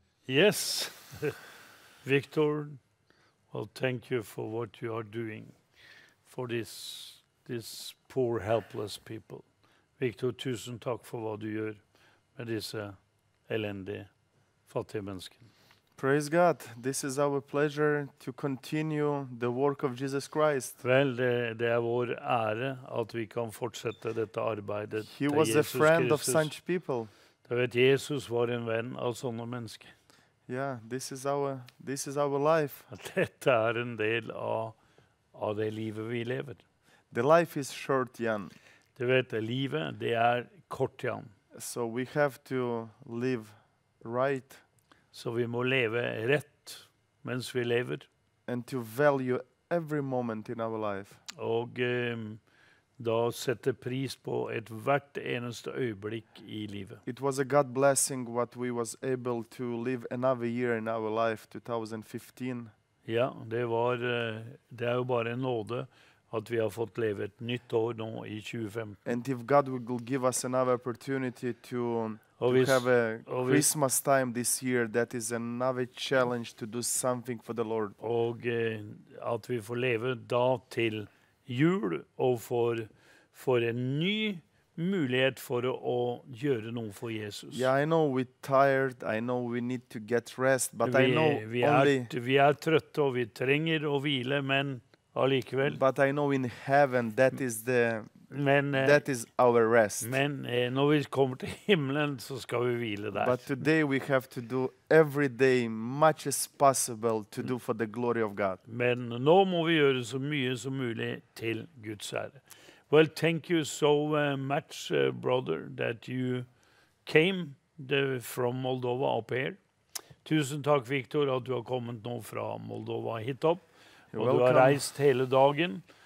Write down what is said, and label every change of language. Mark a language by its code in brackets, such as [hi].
[en] Yes, Victor, well, thank you for what you are doing for these poor, helpless people. [no] Victor, tusen takk for hva du gjør med disse elendige, fattige menneskene. [en] Praise God, this is our pleasure to continue the work of Jesus Christ. [no] Vel, det er vår ære at vi kan fortsette dette arbeidet. [en] He was a friend of such people. [no] Du vet, Jesus var en venn av sånne mennesker. [en] Yeah, this is our life. [no] Dette er en del av det livet vi lever. [en] The life is short, Jan. [no] Du vet, livet, det er kort, Jan. [en] So we have to live right. [no] Så vi må leve rett mens vi lever. [en] And to value every moment in our life. [no] Og da sette pris på et hvert eneste øyeblikk I livet. [en] It was a God blessing what we was able to live another year in our life 2015. [no] Ja, det var det jo bare en nåde at vi har fått leve et nytt år nå I 2015. [en] And if God will give us another opportunity to have a Christmas time this year, that is another challenge to do something for the Lord. [no] Og at vi får leve da til jul og får en ny mulighet for å gjøre noe for Jesus. [en] Yeah, I know we're tired. I know we need to get rest, but I know [no] vi trøtte og vi trenger å hvile, men allikevel. [en] But I know in heaven that is the that is our rest. [no] Men når vi kommer til himmelen, så skal vi hvile der. [en] But today we have to do every day much as possible to do for the glory of God. [no] Men nå må vi gjøre så mye som mulig til Guds ære. [en] Well, thank you so much, brother, that you came from Moldova up here. [no] Tusen takk, Victor, at du har kommet nå fra Moldova hit opp. Og du har reist hele dagen.